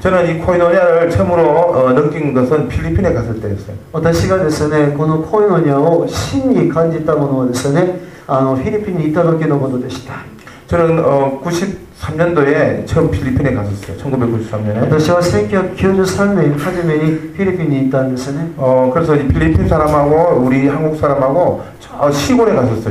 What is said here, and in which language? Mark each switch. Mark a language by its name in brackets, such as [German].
[Korean] 저는 이 코이노니아를 처음으로 느낀 것은 필리핀에 갔을 때였어요. [Japanese] 私がですね、このコイノニアを真に感じたものはですね、フィリピンに行った時のことでした。 [Korean] 저는 93년도에 처음 필리핀에 갔었어요. 1993년에. [Japanese] 私は1993年初めにフィリピンに行ったんですね。 [Korean] 그래서 이 필리핀 사람하고 우리 한국 사람하고 시골에 갔었어요.